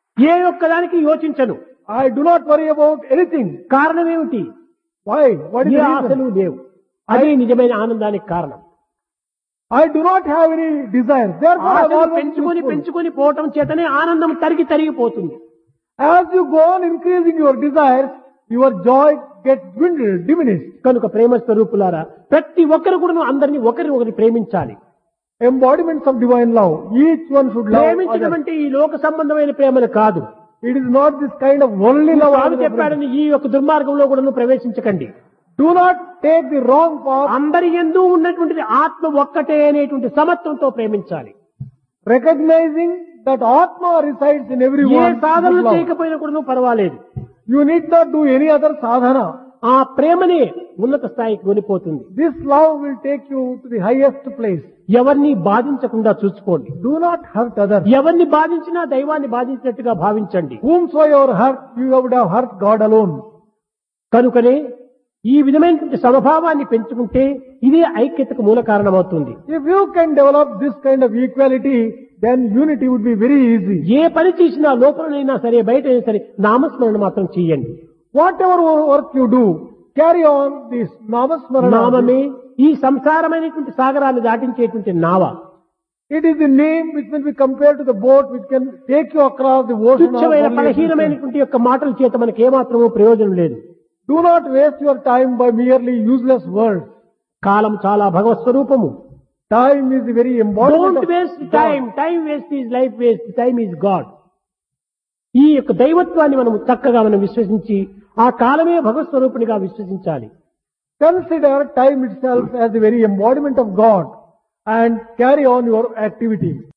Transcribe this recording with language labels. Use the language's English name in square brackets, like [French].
[Telugu] ఏ ఒక్క దానికి యోచించను. [English] I do not worry about anything. [Telugu] కారణం ఏమిటి? [English] why what ఈ [Telugu] ఆశలు లేవు. అదే నిజమైన ఆనందానికి కారణం. [English] I do not have any desire. Therefore, [Telugu] ఆశలు పెంచుకొని పెంచుకొని పోవటం చేతనే ఆనందం తరిగి తరిగి పోతుంది. [English] As you go on increasing your desires, your joy gets dwindled, diminished. [Telugu] కనుక ప్రేమ స్వరూపులారా, ప్రతి ఒక్కరు కూడా అందరినీ ఒకరిని ఒకరిని ప్రేమించాలి. [English] Embodiments of divine love, each one should love. [Telugu] ప్రేమించడమంటే ఈ లోక సంబంధమైన ప్రేమలు కాదు. [English] It is not this kind of worldly love. [Telugu] అని చెప్పాడని ఈ యొక్క దుర్మార్గంలో కూడా ప్రవేశించకండి. [English] Do not take the wrong path. [Telugu] అందరి యందు ఉన్నటువంటి ఆత్మ ఒక్కటే అనేటువంటి సమత్వంతో ప్రేమించాలి. [English] Recognizing that Atma resides in everyone. [Telugu] ఏ సాధనలు చేయకపోయినా కూడా పర్వాలేదు. [English] You need not do any other sadhana. [Telugu] ఆ ప్రేమని ఉన్నత స్థాయికి కొనిపోతుంది. [English] This love will take you to the highest place. [Telugu] ఎవరిని బాధించకుండా చూసుకోండి. [English] Do not hurt others. [Telugu] ఎవరిని బాధించినా దైవాన్ని బాధించినట్టుగా భావించండి. [English] Whomsoever hurt, you would have hurt God alone. [Telugu] కనుకనే ఈ విధమైనటువంటి సమభావాన్ని పెంచుకుంటే ఇదే ఐక్యతకు మూల కారణమవుతుంది. [English] If you can develop this kind of equality, then unity would be very easy. [Telugu] ఏ పని చేసినా లోపలైనా సరే బయట అయినా సరే నామస్మరణ మాత్రం చేయండి. [English] Whatever work you do, carry on this నామస్మరణ. [Telugu] నామమే ఈ సంసారమైనటువంటి సాగరాన్ని దాటించేటువంటి నావ. [English] It is the name which will be compared to the boat which can take you across the ocean. [Telugu] తుచ్చమైన బలహీనమైనటువంటి యొక్క మాటల చేత మనకి ఏమాత్రము ప్రయోజనం లేదు. [English] Do not waste your time by merely useless words. [Telugu] Kalam chala bhagavat swarupam. [English] Time is very important. Don't waste time. God. Time waste is life waste. Time is God. [Telugu] ఈ యొక్క దైవత్వాన్ని మనం చక్కగా మనం విశ్వసించి ఆ కాలమే భగవత్ స్వరూపునిగా విశ్వసించాలి. [English] Consider time itself as the very embodiment of God and carry on your activity.